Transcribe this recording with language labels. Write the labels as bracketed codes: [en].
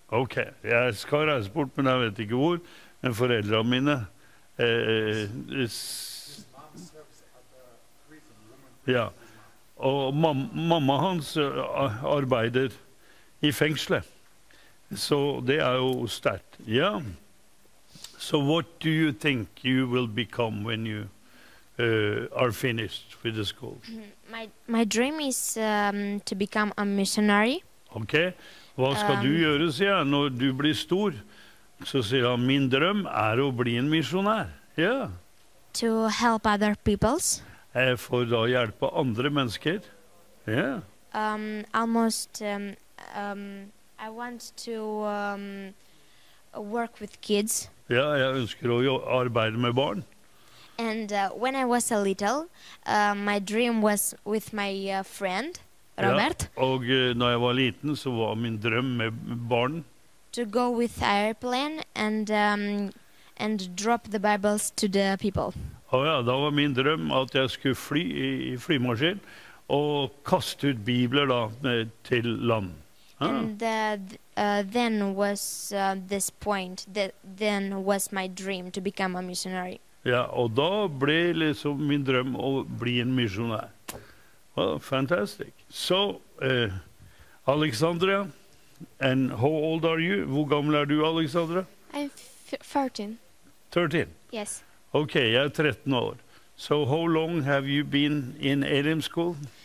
[no] Okay, jeg skal reise bort, men jeg vet ikke hvor, men foreldrene mine, ja, og mamma hans arbeider i fengselet, så det jo sterkt, ja. [en] So what do you think you will become when you are finished with the school? My dream is to become a missionary. Okay. [no] Hva skal du gjøre, sier jeg, når du blir stor? Så sier han, min drøm å bli en misjonær. Ja. Yeah. [en] To help other peoples. [no] For da hjelpe andre mennesker. Ja. Yeah. [en] I want to work with kids. [no] Ja, jeg ønsker å arbeide med barn. [en] And when I was a little, my dream was with my friend. Robert. [no] Ja, og når jeg var liten, så var min drøm med barn. [en] To go with airplane and drop the Bibles to the people. [no] Oh ja, da var min drøm at jeg skulle fly i flymaskin og kaste ut bibler da til land. [en] Ah. And then was this point. Then was my dream to become a missionary. [no] Ja, og da ble liksom min drøm å bli en misjonær. [en] Well, fantastic. So, Alexandra, and how old are you? [no] Hvor gammel du, Alexandra? [en] I'm 13. 13? Yes. [no] Okay, jeg 13 år. [en] So, how long have you been in ALM school?